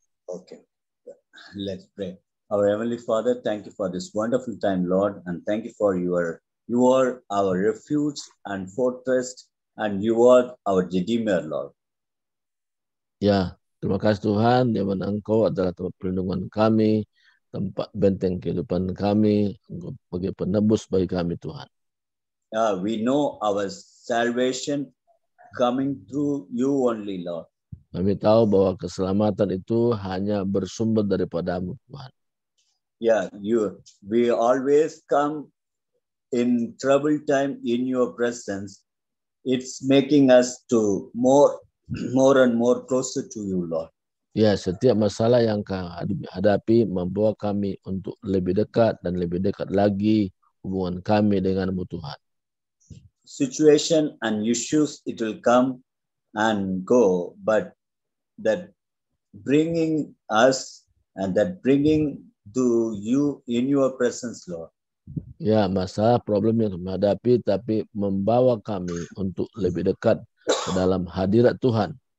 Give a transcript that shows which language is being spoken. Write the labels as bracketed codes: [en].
[en] Okay, let's pray. Our Heavenly Father, thank you for this wonderful time, Lord, and thank you for you are our refuge and fortress, and you are our Redeemer, Lord. [id] Ya, terima kasih Tuhan, di mana Engkau adalah tempat perlindungan kami, tempat benteng kehidupan kami, Engkau sebagai penebus bagi kami, Tuhan. [en] Ya, we know our salvation coming through you only, Lord. [id] Kami tahu bahwa keselamatan itu hanya bersumber daripada-Mu, Tuhan. [en] Ya, we always come in trouble time in your presence. It's making us to more and more closer to you, Lord. [id] Ya, setiap masalah yang kami hadapi membawa kami untuk lebih dekat dan lebih dekat lagi hubungan kami dengan-Mu, Tuhan. [en] Situation and issues, it will come and go, but that bringing us and that bringing to you in your presence, Lord. [id] Ya, masalah problem yang kami hadapi tapi membawa kami untuk lebih dekat ke dalam hadirat Tuhan.